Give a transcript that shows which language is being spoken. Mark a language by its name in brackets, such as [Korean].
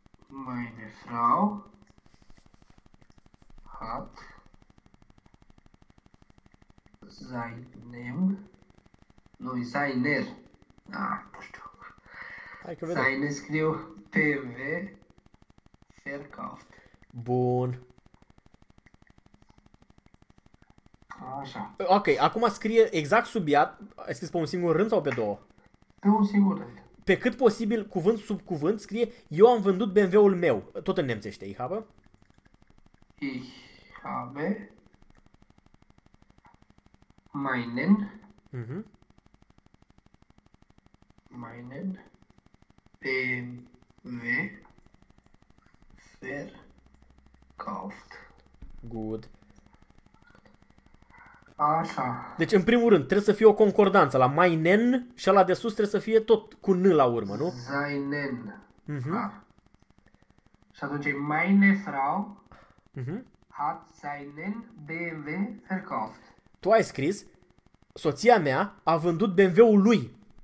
[German] Meine Frau hat seinem, [Romanian] noi [German] seiner, [Romanian] nu știu, [German] seine [Romanian] scriu [German] BMW verkauft. [Romanian] Bun. Așa. Ok, acum scrie exact sub ea, ai scris pe un singur rând sau pe două? Pe un singur rând. Pe cât posibil, cuvânt sub cuvânt, scrie, eu am vândut BMW-ul meu. Tot în nemțește, [German] ich habe. Ich habe meinen, meinen BMW verkauft. [English] Good. [Romanian] Așa. Deci, în primul rând, trebuie să fie o concordanță la meinen și ala de sus trebuie să fie tot cu n la urmă, nu? [German] Seinen. [Romanian] Și atunci, [German] meine Frau hat seinen BMW verkauft. [Romanian] Tu ai scris, soția mea a vândut BMW-ul lui.